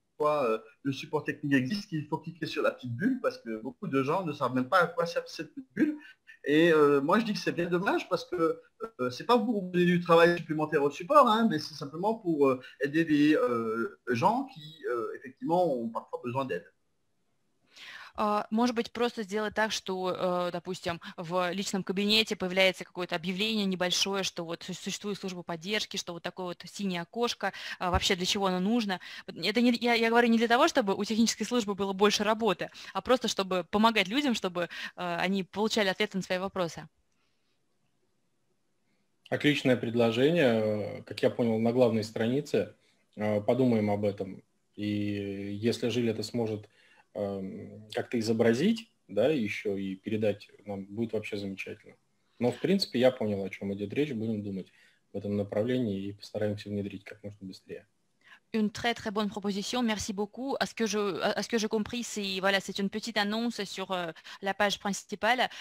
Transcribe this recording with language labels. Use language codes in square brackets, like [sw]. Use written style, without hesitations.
[fr] quoi le support technique existe, qu'il faut cliquer sur la petite bulle, parce que beaucoup de gens ne savent même pas à quoi sert cette petite bulle. Et moi, je dis que c'est bien dommage, parce que ce n'est pas pour donner du travail supplémentaire au support, hein, mais c'est simplement pour aider des gens qui, effectivement, ont parfois besoin d'aide. [ru] Может быть, просто сделать так, что, допустим, в личном кабинете появляется какое-то объявление небольшое, что вот существует служба поддержки, что вот такое вот синее окошко, вообще для чего оно нужно. Это не, я говорю не для того, чтобы у технической службы было больше работы, а просто чтобы помогать людям, чтобы они получали ответы на свои вопросы. Отличное предложение. Как я понял, на главной странице подумаем об этом. И если Жиль это сможет как-то изобразить, да, еще и передать нам, будет вообще замечательно. Но, в принципе, я понял, о чем идет речь, будем думать в этом направлении и постараемся внедрить как можно быстрее. [fr] Une très très bonne proposition, merci beaucoup. À ce que je compris, c'est voilà, c'est une petite annonce sur la page principale.